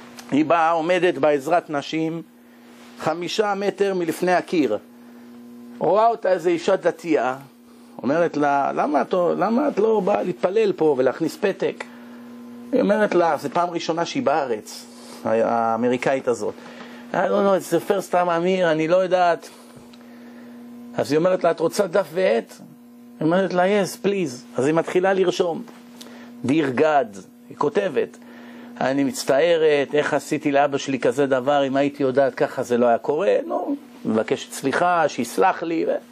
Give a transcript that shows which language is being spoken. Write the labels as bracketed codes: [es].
[he] היא באה, עומדת בעזרת נשים. 5 מטר מלפני הקיר. רואה אותה איזו אישה דתייה, אומרת לה, למה את לא באה להתפלל פה ולהכניס פתק? היא אומרת לה, זה פעם ראשונה שהיא בארץ, האמריקאית הזאת. [en] I don't know, it's the first time I'm here, [he] אני לא יודעת. אז היא אומרת לה, את רוצה דף ועט? היא אומרת לה, [en] yes, please. [he] אז היא מתחילה לרשום. Dear God, היא כותבת. אני מצטערת, איך עשיתי לאבא שלי כזה דבר, אם הייתי יודעת ככה זה לא היה קורה, נו, מבקשת סליחה, שיסלח לי.